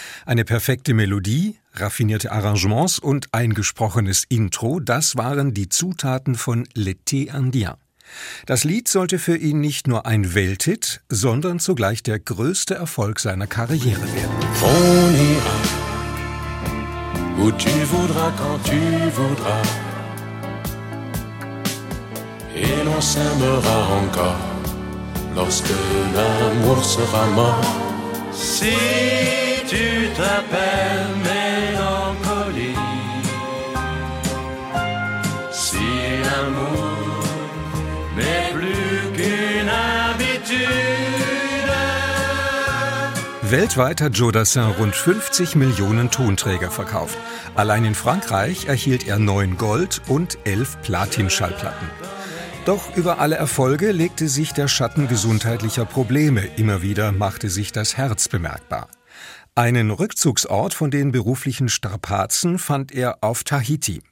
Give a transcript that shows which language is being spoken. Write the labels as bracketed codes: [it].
[de] Eine perfekte Melodie, raffinierte Arrangements und eingesprochenes Intro, das waren die Zutaten von L'été Indien. Das Lied sollte für ihn nicht nur ein Welthit, sondern zugleich der größte Erfolg seiner Karriere werden. Von hier an. [fr] Où tu voudras, quand tu voudras. Et l'on s'aimera encore lorsque l'amour sera mort. Si tu t'appelles mélancolie, si l'amour n'est plus qu'une habitude. [de] Weltweit hat Joe Dassin rund 50 Millionen Tonträger verkauft. Allein in Frankreich erhielt er 9 Gold- und 11 Platin-Schallplatten. Doch über alle Erfolge legte sich der Schatten gesundheitlicher Probleme. Immer wieder machte sich das Herz bemerkbar. Einen Rückzugsort von den beruflichen Strapazen fand er auf Tahiti.